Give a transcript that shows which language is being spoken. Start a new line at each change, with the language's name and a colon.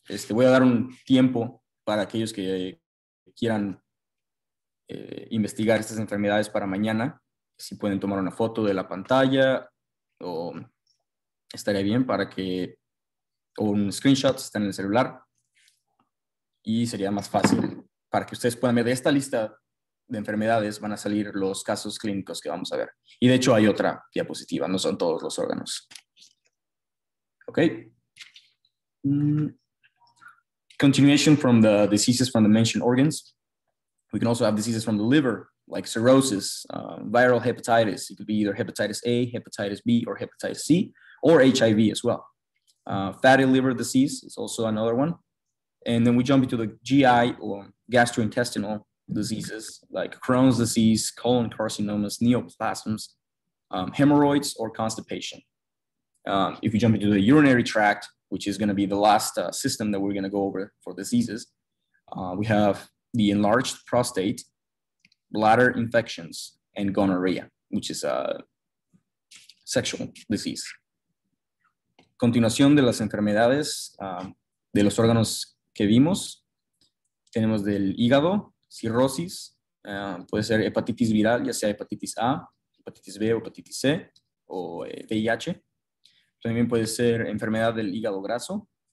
Spanish: Voy a dar un tiempo para aquellos que quieran investigar estas enfermedades para mañana, si pueden tomar una foto de la pantalla o estaría bien para que o un screenshot si está en el celular y sería más fácil para que ustedes puedan ver de esta lista de enfermedades van a salir los casos clínicos que vamos a ver. Y de hecho hay otra diapositiva, no son todos los órganos. Ok.
English: Continuation from the diseases from the mentioned organs. We can also have diseases from the liver, like cirrhosis, viral hepatitis. It could be either hepatitis A, hepatitis B, or hepatitis C, or HIV as well. Fatty liver disease is also another one. And then we jump into the GI or gastrointestinal diseases like Crohn's disease, colon carcinomas, neoplasms, hemorrhoids, or constipation. If you jump into the urinary tract, which is going to be the last system that we're going to go over for diseases, we have the enlarged prostate, bladder infections, and gonorrhea, which is a sexual disease.
Spanish: Continuación de las enfermedades de los órganos que vimos, tenemos del hígado, cirrosis, puede ser hepatitis viral, ya sea hepatitis A, hepatitis B, hepatitis C o VIH. También puede ser enfermedad del hígado graso.